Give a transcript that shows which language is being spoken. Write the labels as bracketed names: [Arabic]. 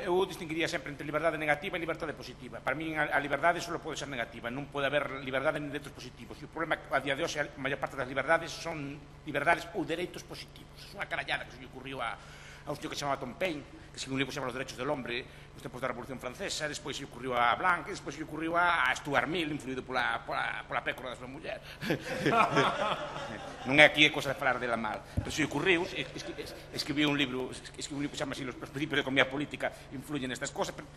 [Galician] Eu distinguiría sempre entre liberdade negativa e liberdade positiva. Para mí a liberdade só pode ser negativa, non pode haber liberdade nin dereitos positivos. E o problema a día de hoxe, a maior parte das liberdades son liberdades ou dereitos positivos. É unha carallada que se lle ocurriu a [Spanish] a un tío que se llamaba Tom Paine, que escribió un libro que se llama Los Derechos del Hombre, los tiempos de la Revolución Francesa, después se ocurrió a Blanc, y después se ocurrió a Stuart Mill, influido por la pécora de su mujer. No hay aquí cosas de hablar de la mal. Pero se ocurrió, escribió un libro que se llama así, Los Principios de Economía Política influyen en estas cosas.